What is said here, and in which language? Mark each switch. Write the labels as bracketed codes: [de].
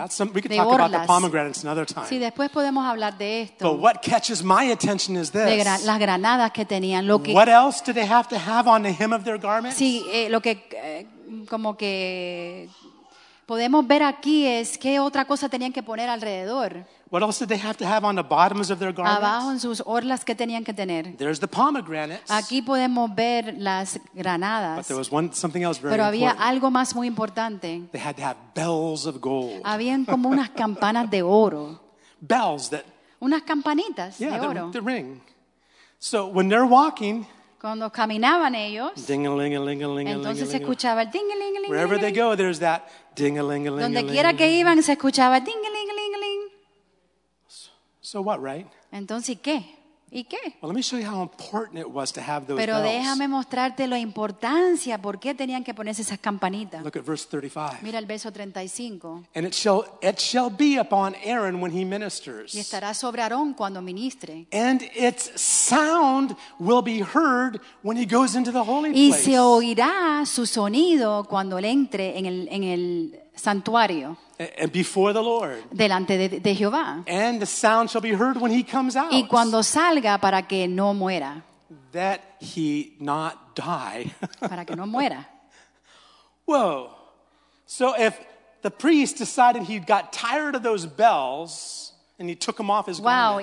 [en] We can talk about the pomegranates another time. [es] Sí, después podemos hablar de esto. [en] But what catches my attention is this. [es] Las granadas que tenían. Lo que, [en] what else do they have to have on the hem of their garments? [es] Sí, lo que como que podemos ver aquí es qué otra cosa tenían que poner alrededor. [en] What else did they have to have on the bottoms of their garments? [es] Abajo en sus orlas, ¿qué tenían que tener? [en] There's the pomegranates. [es] Aquí podemos ver las granadas. [en] But there was something else very [es] Pero había important. Algo más muy importante. [en] They had to have bells of gold. [es] Habían como unas campanas de oro. [en] Bells that. [es] Unas campanitas de oro. [en] Yeah, the ring. So when they're walking. [es] Cuando caminaban ellos. Ding-a-ling-a-ling-a-ling-a-ling-a-ling. Entonces se escuchaba el ding-a-ling-a-ling-a-ling. [en] Wherever they go, there's that. Ding-a-ling-a-ling-a-ling. [es] Donde quiera que iban se escuchaba ding-a-ling-a-ling-a-ling. [en] So what, right? [es] Entonces, ¿qué? ¿Y qué? [en] Well, let me show you how important it was to have those [es] pero [en] bells. [es] Déjame mostrarte la importancia por qué tenían que ponerse esas campanitas. [en] Look at verse 35. [es] Mira el verso 35. [en] And it shall be upon Aaron when he ministers. [es] Y estará sobre Aarón cuando ministre. [en] And its sound will be heard when he goes into the holy [es] y [en] place. [es] Y se oirá su sonido cuando él entre en el santuario. [en] And before the Lord. [es] Delante de Jehová. [en] And the sound shall be heard when he comes out. [es] Y cuando salga para que no muera. [en] That he not die. [es] Para que no muera. [en] Whoa. So if the priest decided he got tired of those bells and he took them off his garment.